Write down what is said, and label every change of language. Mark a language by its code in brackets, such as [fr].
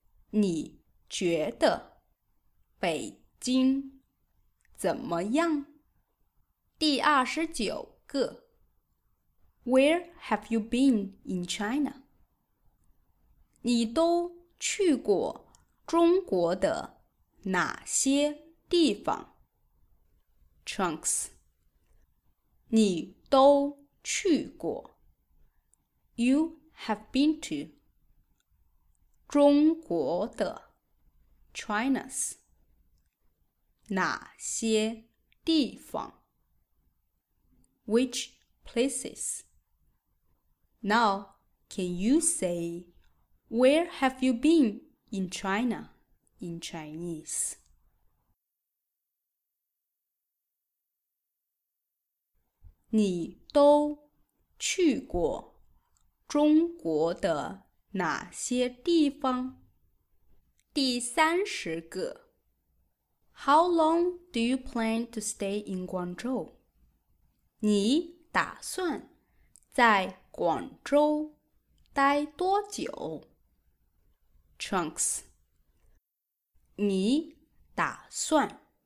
[zh] 你觉得北京怎么样? 第二十九个 [en] Where have you been in China? [zh] 你都去过中国的哪些地方? [en] Trunks [zh] 你都去过 [en] You have been to [zh] 中国的 [en] China's [zh] 哪些地方 [en] Which places? Now, can you say Where have you been in China? In Chinese [zh] 你都去过中国的哪些地方? 第三十个 [en] How long do you plan to stay in Guangzhou? [zh] 你打算在广州待多久? [en] Trunks [zh] 你打算